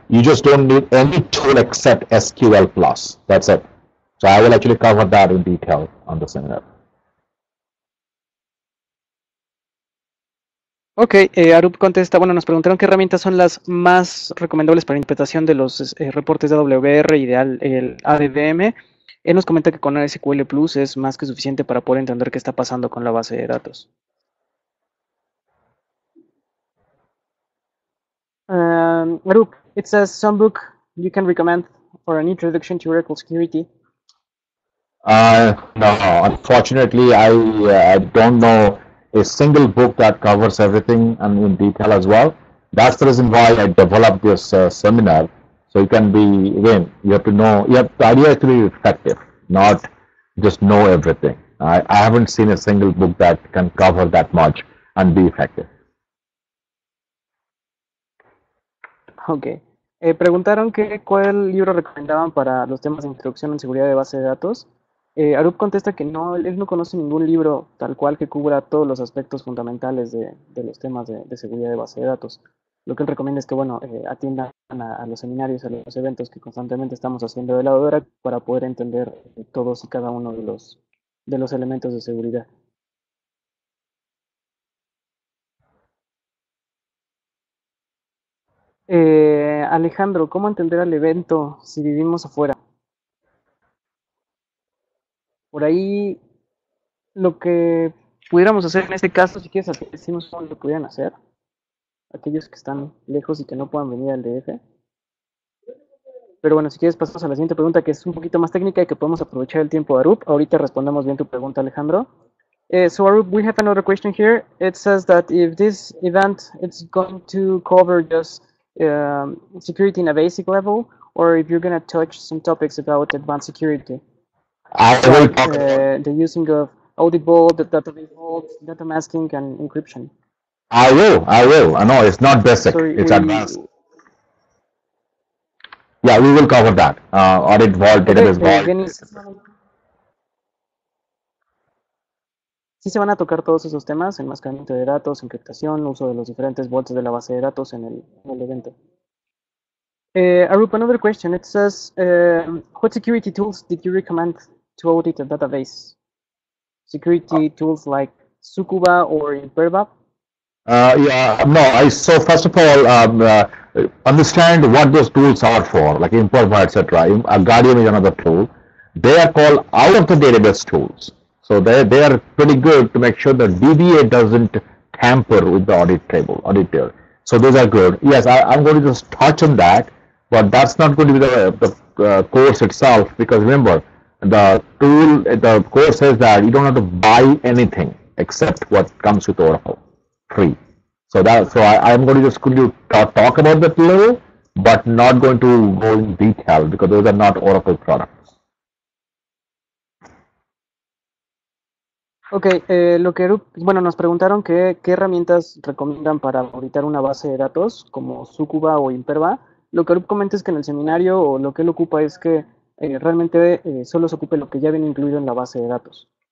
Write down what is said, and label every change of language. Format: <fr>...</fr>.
<en>You just don't need any tool except SQL Plus. That's it. So I will actually cover that in detail on the seminar.</en> <es>Ok, Arup contesta, bueno, nos preguntaron qué herramientas son las más recomendables para interpretación de los reportes de AWR y el ADBM. Él nos comenta que con SQL Plus es más que suficiente para poder entender qué está pasando con la base de datos.</es> <en>Arup, it says some book you can recommend for an introduction to Oracle Security. No, unfortunately, I don't know a single book that covers everything and in detail as well. That's the reason why I developed this seminar. So you can be, again, you have to know, you have the idea to be effective, not just know everything. I haven't seen a single book that can cover that much and be effective. Okay.</en> <es>Preguntaron que cuál libro recomendaban para los temas de introducción en seguridad de base de datos. Arup contesta que no, él no conoce ningún libro tal cual que cubra todos los aspectos fundamentales de los temas de seguridad de base de datos. Lo que él recomienda es que, bueno, atiendan a los seminarios, a los eventos que constantemente estamos haciendo de la hora para poder entender todos y cada uno de los elementos de seguridad. Alejandro, ¿cómo entender al evento si vivimos afuera? Por ahí, lo que pudiéramos hacer en este caso, si quieres, decimos cómo lo pudieran hacer aquellos que están lejos y que no puedan venir al DF. Pero bueno, si quieres, pasamos a la siguiente pregunta, que es un poquito más técnica y que podemos aprovechar el tiempo de Arup. Ahorita respondemos bien tu pregunta,</es> <en>Alejandro. So Arup, we have another question here. It says that if this event is going to cover just security in a basic level, or if you're going to touch some topics about advanced security. The using of audit vault, the database vault, data masking, and encryption. I will. I know it's not basic, sorry, it's advanced. Yeah, we will cover that. Audit vault, database vault.</en> <es>Sí se van a tocar todos esos temas, enmascaramiento de datos, encriptación, uso de los diferentes vaults de la base de datos en el evento.</es> <en>Arup, another question. It says, what security tools did you recommend to audit a database? Security tools like Tsukuba or Imperva? So first of all, understand what those tools are for, like Imperva, etc. Guardium is another tool. They are called out-of-the-database tools. So they are pretty good to make sure that DBA doesn't tamper with the audit table, auditor. So those are good. Yes, I'm going to just touch on that, but that's not going to be the course itself, because remember, the course says that you don't have to buy anything except what comes with Oracle free. So I'm going to just talk about that a little, but not going to go in detail because those are not Oracle products.</en> <es>Ok, lo que bueno, nos preguntaron qué herramientas recomiendan para auditar una base de datos como Tsukuba o Imperva. Lo que Arup comenta es que en el seminario o lo que él ocupa es que realmente solo se ocupe lo que ya viene incluido en la base de datos.</es>